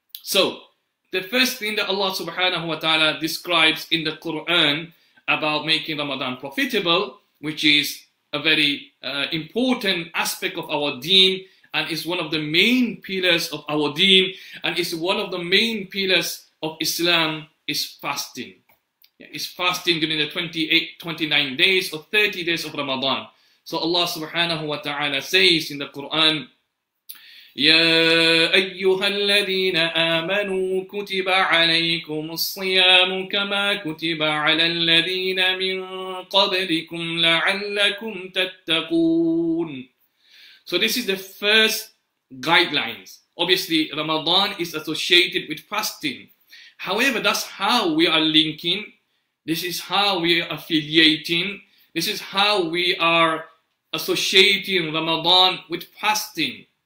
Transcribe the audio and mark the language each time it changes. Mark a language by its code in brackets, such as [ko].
[en] So the first thing that Allah subhanahu wa ta'ala describes in the Quran about making Ramadan profitable, which is a very important aspect of our deen, and is one of the main pillars of our deen, and is one of the main pillars of Islam, is fasting. It's fasting during the 28, 29 days or 30 days of Ramadan. So Allah subhanahu wa ta'ala says in the Quran, [ar] يَا أَيُّهَا الَّذِينَ آمَنُوا كُتِبَ عَلَيْكُمُ الصِّيَامُ كَمَا كُتِبَ عَلَى الَّذِينَ مِنْ قَبْلِكُمْ لَعَلَّكُمْ تَتَّقُونَ. [en] So this is the first guidelines. Obviously, Ramadan is associated with fasting. However, that's how we are linking. This is how we are affiliating. This is how we are associating Ramadan with fasting.